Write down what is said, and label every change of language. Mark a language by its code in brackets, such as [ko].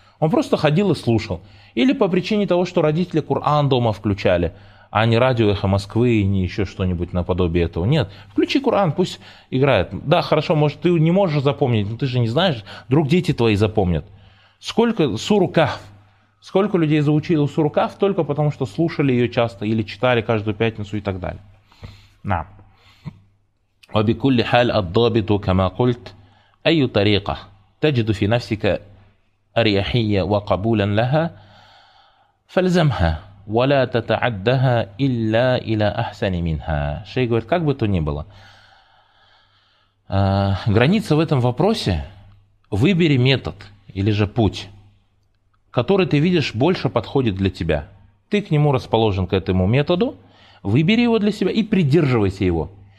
[ru] Он просто ходил и слушал. Или по причине того, что родители Коран дома включали, а не радио «Эхо Москвы» и не еще что-нибудь наподобие этого. Нет, включи Коран, пусть играет. Да, хорошо, может, ты не можешь запомнить, но ты же не знаешь, вдруг дети твои запомнят. Сколько суру Кахф? Сколько людей заучили суру Кахф только потому, что слушали ее часто или читали каждую пятницу и так далее. На. [ar] وبكل حال الضابط كما قلت أي طريقة تجد في نفسك أريحية وقبولا لها فالزمها ولا تتعدها إلا إلى أحسن منها. [ru] Шейх говорит, как бы то ни было, граница в этом вопросе, выбери метод или же путь, который ты видишь больше подходит для тебя. Ты к нему расположен, к этому методу, выбери его для себя и придерживайся его.